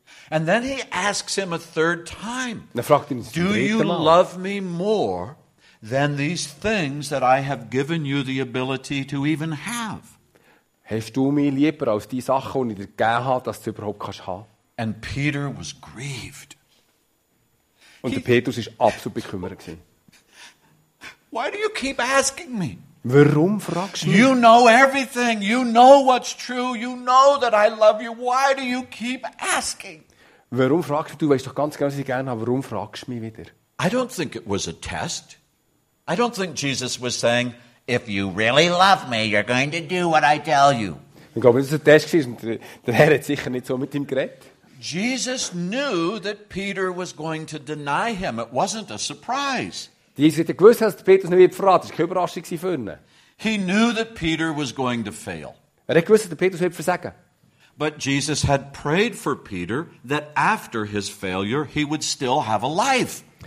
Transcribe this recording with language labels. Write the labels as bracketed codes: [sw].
[en] And then he asks him a third time. [de] Er fragt ihn, [en] do you love me more than these things that I have given you the ability to even have? [de] Hast du mich lieber als die Sachen, die ich dir gegeben habe, dass du überhaupt kannst haben? [en] And Peter was grieved. [de] Und der Petrus ist absolut bekümmert gewesen. [en] Why do you keep asking me? [de] Warum fragst du mich? [en] You know everything. You know what's true. You know that I love you. Why do you keep asking? [de] Warum fragst du? Du weißt doch ganz genau, was ich gerne habe. Warum fragst du mich wieder? [en] I don't think it was a test. I don't think Jesus was saying, if you really love me, you're going to do what I tell you. [de] Ich glaube, das war ein Test gewesen. Der Herr hat sicher nicht so mit ihm geredet. [en] Jesus knew that Peter was going to deny him. It wasn't a surprise. He knew that Peter was going to fail. But Jesus had prayed for Peter that after his failure, he would still have a life.